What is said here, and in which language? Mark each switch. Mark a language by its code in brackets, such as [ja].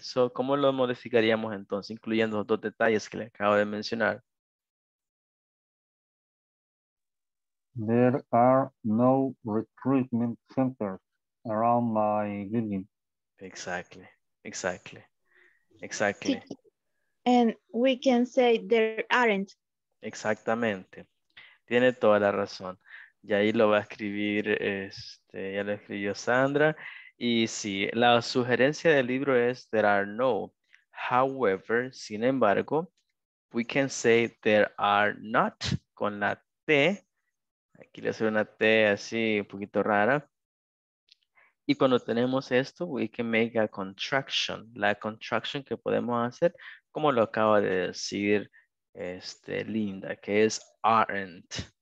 [es] So, ¿cómo lo modificaríamos entonces, incluyendo los dos detalles que le acabo de mencionar? [en] There are no recruitment centers around my building. Exactly, exactly, exactly. And we can say there aren't. [es] Exactamente. Tiene toda la razón. Y ahí lo va a escribir, ya lo escribió Sandra. Y sí, la sugerencia del libro es there are no. [en] However, [es] sin embargo, [en] we can say there are not [es] con la T. Aquí le hace una T así un poquito rara. Y cuando tenemos esto, [en] we can make a contraction. [es] La contraction que podemos hacer, como lo acaba de decir Linda, que es aren't.